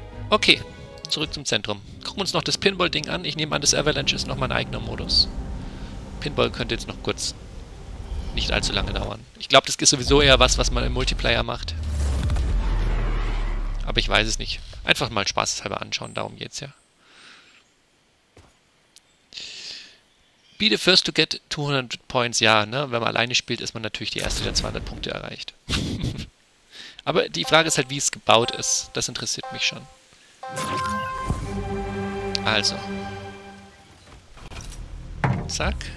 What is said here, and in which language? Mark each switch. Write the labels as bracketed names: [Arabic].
[German] Okay, zurück zum Zentrum. Gucken wir uns noch das Pinball-Ding an. Ich nehme an, das Avalanche ist noch mein eigener Modus. Pinball könnte jetzt noch kurz nicht allzu lange dauern. Ich glaube, das ist sowieso eher was, was man im Multiplayer macht. Aber ich weiß es nicht. Einfach mal spaßeshalber anschauen, darum geht's ja. [English] Be the first to get 200 points. [German] Ja, ne? Wenn man alleine spielt, ist man natürlich die Erste, der 200 Punkte erreicht. Aber die Frage ist halt, wie es gebaut ist. Das interessiert mich schon. Also. Zack.